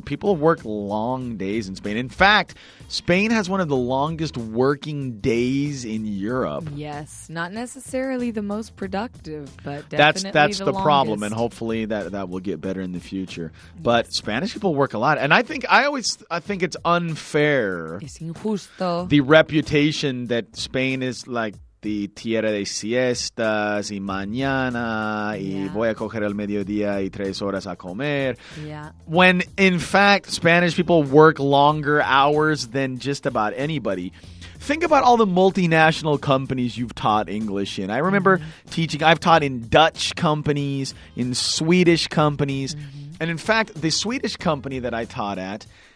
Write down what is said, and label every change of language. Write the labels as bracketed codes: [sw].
[en] People work long days in Spain. In fact, Spain has one of the longest working days in Europe. Yes, not necessarily the most productive, but definitely that's the problem, and hopefully that will get better in the future. But yes. Spanish people work a lot, and I think it's unfair. [es] Es injusto. [en] The reputation that Spain is like the [es] tierra de siestas y mañana y voy a coger el mediodía y tres horas a comer. [en] Yeah. When in fact Spanish people work longer hours than just about anybody. Think about all the multinational companies you've taught English in. I remember teaching. I've taught in Dutch companies, in Swedish companies, and in fact the Swedish company that I taught at.